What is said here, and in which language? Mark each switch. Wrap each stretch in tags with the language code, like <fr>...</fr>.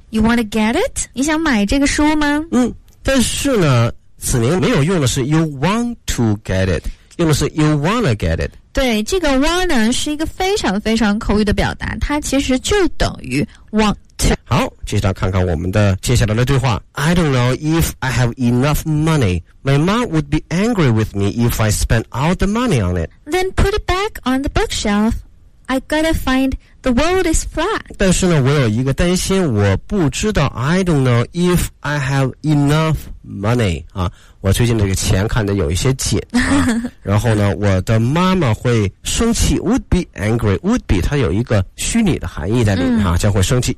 <zh>You want to get it？ 你想买这个书吗？嗯，但是呢子宁没有用的是</zh> <en>You want to get it，</en> <zh>用的是</zh> <en>You wanna get it。</en> <zh>对，这个 wanna 是一个非常非常口语的表达，它其实就等于 want。好，接下来看看我们的接下来的对话。</zh> <en>I don't know if I have enough money. My mom would be angry with me if I spent all the money on it. Then put it back on the bookshelf. I gotta find the world is flat.</en> <zh>但是呢我有一个担心，我不知道。</zh> <en>I don't know if I have enough money</en> <zh>啊，我最近这个钱看得有一些紧啊。然后呢我的妈妈会生气，</zh> <en>would be angry，</en> <zh>would be 它有一个虚拟的含义在里面，将会生气。</zh>